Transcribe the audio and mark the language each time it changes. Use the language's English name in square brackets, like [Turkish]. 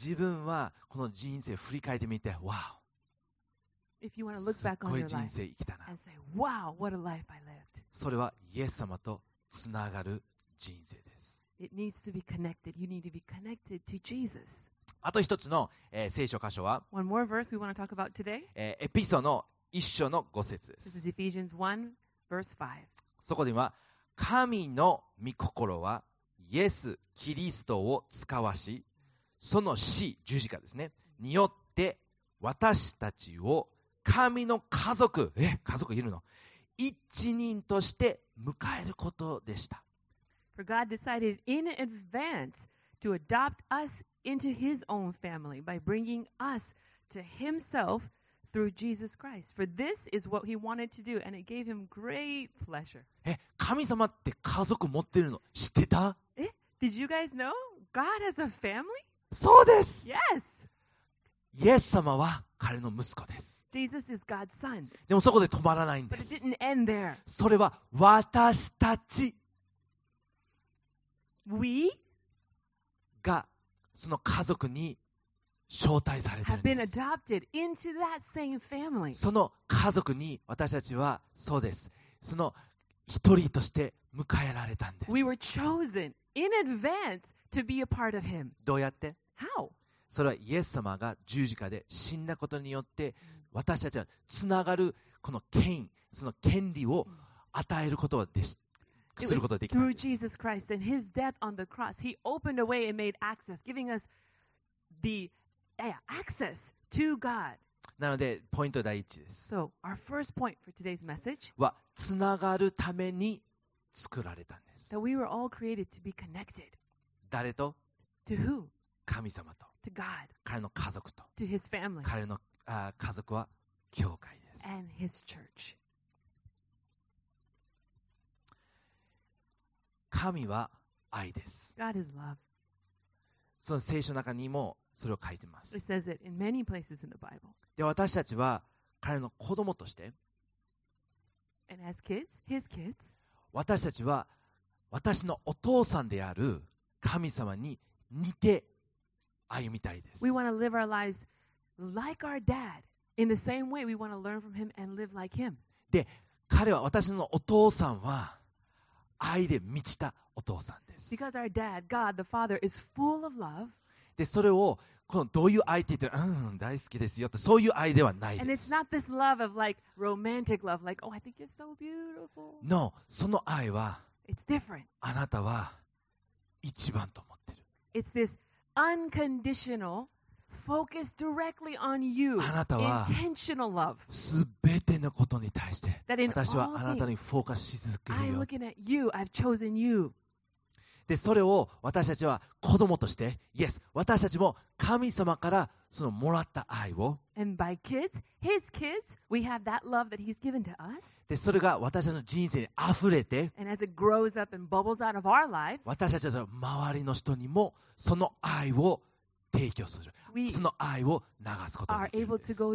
[Japanese] 自分はこの人生を振り返ってみて、わお。 [English] If you want to look back on your life and say, "Wow, what a life I lived." [Japanese] それはイエス様とつながる人生です。 [English] It needs to be connected. You need to be connected to Jesus. [Japanese] あと一つの、聖書箇所は、 [English] One more verse we want to talk about today. [Japanese] エピソの一章の五節です。 [English] This is Ephesians 1, verse 5. [Japanese] そこでは、神の御心はイエス・キリストを遣わし、その死、十字架ですね、によって私たちを神の家族、家族いるの、一人として迎えることでした。 [English] For God decided in advance to adopt us into His own family by bringing us to Himself through Jesus Christ. For this is what He wanted to do, and it gave Him great pleasure. [Japanese] 神様って家族持ってるの知ってた？ [English] Did you guys know God has a family? [Japanese] そうです。 [English] Yes. [Japanese] イエス様は彼の息子です。 [English] Jesus is God's son. [Japanese] でもそこで止まらないんです。 [English] But it didn't end there. [Japanese] それは私たち、 [English] we [Japanese] がその家族に招待されているんです。 [English] Have been adopted into that same family. [Japanese] その家族に私たちはそうです。その一人として迎えられたんです。 [English] We were chosen in advance to be a part of Him. [Japanese] どうやって [English] ？How？ [Japanese] それはイエス様が十字架で死んだことによって。私たちはつながるこの権威、その権利を与えることでし、することができたんです。 [English] Through Jesus Christ and His death on the cross, He opened a way and made access, giving us the access to God. [Japanese] なのでポイント第一です。 [English] So our first point for today's message [Japanese] はつながるために作られたんです。 [English] That we were all created to be connected. [Japanese] 誰と [English] ？To who？ [Japanese] 神様と。 [English] To God. [Japanese] 彼の家族と。 [English] To His family. [Japanese] 彼の家族は教会です。 [English] And his church. [Japanese] 神は愛です。 [English] God is love. [Japanese] その聖書の中にもそれを書いてます。 [English] It says it in many places in the Bible. [Japanese] で、私たちは彼の子供として、 [English] And as kids, his kids. [Japanese] 私たちは私のお父さんである神様に似て歩みたいです。 [English] We want to live our lives. Like our dad, in the same way, we want to learn from him and live like him. [Japanese] で、彼は私のお父さんは愛で満ちたお父さんです。 [English] Because our dad, God the Father, is full of love. [Japanese] で、それをこのどういう愛って言ってる、大好きですよってそういう愛ではないです。 [English] And it's not this love of like romantic love, like oh, I think you're so beautiful. [Japanese] No, その愛は、 [English] It's different. [Japanese] あなたは一番と思ってる。 [English] It's this unconditional. Focus directly on you. [Japanese] あなたは [English] intentional love. [Japanese] すべてのことに対して、私はあなたにフォーカスし続けるよ。 [English] I'm looking at you. I've chosen you. [Japanese] で、それを私たちは子供として、Yes, 私たちも神様からそのもらった愛を。 [English] And by kids, his kids, we have that love that he's given to us. [Japanese] で、それが私たちの人生に溢れて、 [English] And as it grows up and bubbles out of our lives, [Japanese] 私たちの周りの人にもその愛を。提供する。その愛を流すことができるんです。